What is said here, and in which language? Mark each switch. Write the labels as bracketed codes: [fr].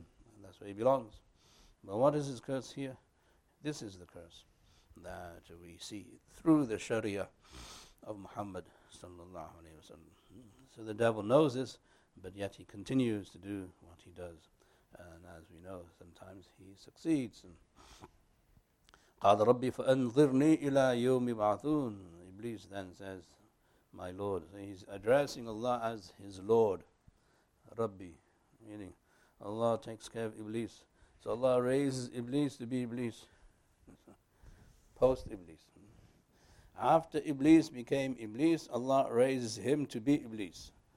[en] And that's where he belongs. But what is his curse here? This is the curse that we see through the Sharia of Muhammad sallallahu alayhi wa sallam. So the devil knows this, but yet he continues to do what he does. And as we know, sometimes he succeeds. [ar] قَالَ رَبِّ فَأَنْظِرْنِي إِلَىٰ يَوْمِ بَعْثُونَ [en] Iblis then says, My Lord. So he's addressing Allah as his Lord. Rabbi, meaning Allah takes care of Iblis. So Allah raises Iblis to be Iblis. Post-Iblis. After Iblis became Iblis, Allah raises him to be Iblis.